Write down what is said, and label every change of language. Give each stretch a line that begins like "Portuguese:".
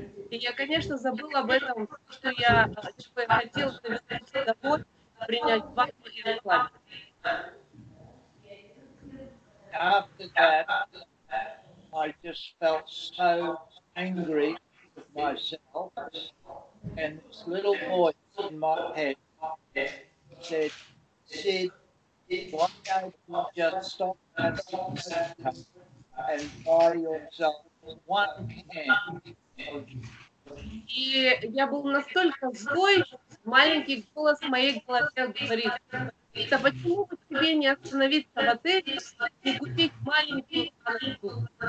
Russian: Я, конечно, забыла об этом, что я хотел вернуться домой, принять ванну и рекламу.
English: After that, I just felt so angry with myself, and this little voice in my head said, Sid, why don't you just stop that and buy yourself one can of.
Russian: И я был настолько злой, маленький голос в моей голове говорит, это почему бы тебе не остановиться в отеле и купить маленький коробку?